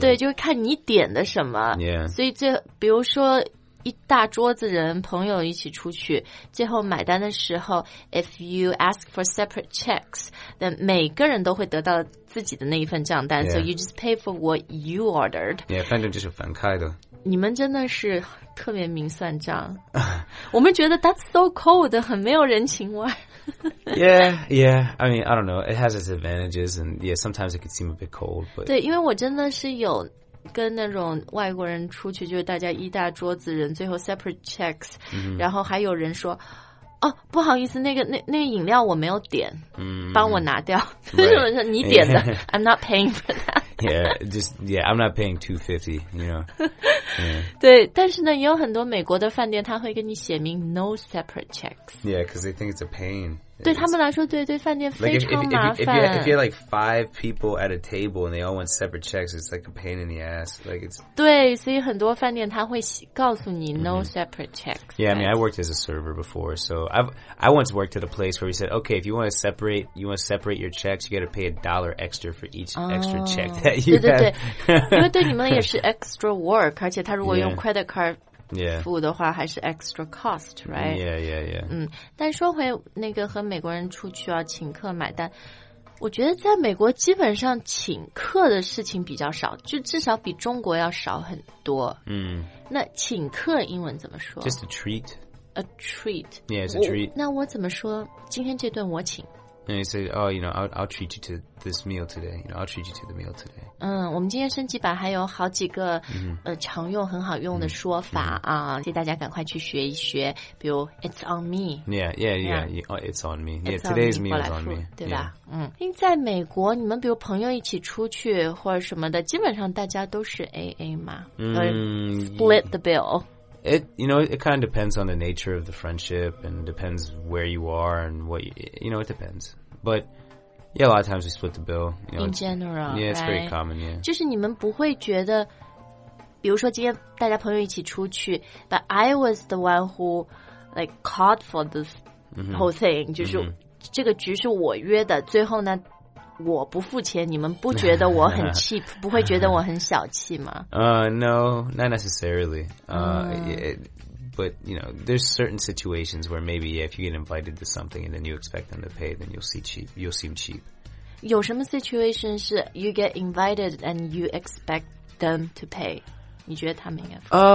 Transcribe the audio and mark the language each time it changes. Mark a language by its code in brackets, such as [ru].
[zh] 对，就是看你点的什么。 [en] Yeah. [zh] 所以最比如说一大桌子人朋友一起出去，最后买单的时候 [en] if you ask for separate checks, then [zh] 每个人都会得到自己的那一份账单、 [en] yeah. so you just pay for what you ordered. [zh] Yeah, 反正就是分开的。你们真的是特别明算账。我们觉得 [en] that's so cold, [zh] 很没有人情味。 [en] yeah, I mean, I don't know. It has its advantages, and yeah, sometimes it can seem a bit cold. But [zh] 对，因为我真的是有跟那种外国人出去，就是大家一大桌子人，最后 separate checks,、 [en] mm-hmm. [zh] 然后还有人说，哦，不好意思，那个饮料我没有点， [en] mm-hmm. [zh] 帮我拿掉。 [en] Right. [zh] 是你点的、 [en] yeah. ，I'm not paying for that. yeah, I'm not paying $250. You know. Yeah. [zh] 对，但是呢，也有很多美国的饭店，他会跟你写明 [en] no separate checks. Yeah, because they think it's a pain. [zh] 对他们来说，对饭店非常麻烦。 [en] Like if you're like five people at a table and they all want separate checks, it's like a pain in the ass. Like it's [zh] 对，所以很多饭店他会告诉你 [en] no separate checks. Yeah, I mean, I worked as a server before, so I once worked at a place where we said, okay, if you want to separate, you want to separate your checks, you got to pay a dollar extra for each extra check that you have. [zh] 对，因为对你们也是 [en] extra work, [zh] 而且他如果用 credit card [en] Yeah. [zh] 付的话还是 [en] extra cost, right? Yeah. [zh] 但说回那个和美国人出去啊，请客买单，我觉得在美国基本上请客的事情比较少，就至少比中国要少很多。那请客英文怎么说？ [en] Just a treat. A treat. Yeah, it's a treat. [zh] 那我怎么说？今天这顿我请。 [en] And you say, oh, you know, I'll treat you to this meal today. You know, I'll treat you to the meal today. [zh] 嗯，我们今天升级版还有好几个、 [en] mm-hmm. [zh] 常用很好用的说法啊，所、mm-hmm. 以大家赶快去学一学。 [en] 比如 ，It's on me. Yeah. It's on me. Yeah, it's today's on me, meal is on me. [zh] 对吧？ [en] Yeah. [zh] 嗯，因为在美国，你们比如朋友一起出去或者什么的，基本上大家都是 AA 嘛， [en] split the bill. It, you know, it kind of depends on the nature of the friendship and depends where you are and what, you know, it depends. But, yeah, a lot of times we split the bill. You know, in general, Yeah, it's、 right? pretty common, yeah. [zh] 就是你们不会觉得比如说今天大家朋友一起出去 [en] but I was the one who, like, called for this whole thing.、 Mm-hmm. [zh] 就是、mm-hmm. 这个局是我约的最后呢我不付钱你们不觉得我很 cheap 不会觉得我很小气吗 [en] No, not necessarily. But, you know, there's certain situations where maybe yeah, if you get invited to something and then you expect them to pay, then you'll seem cheap. [zh] 有什么 [en] situation [zh] 是 [en] you get invited and you expect them to pay? [zh] 你觉得他们应该付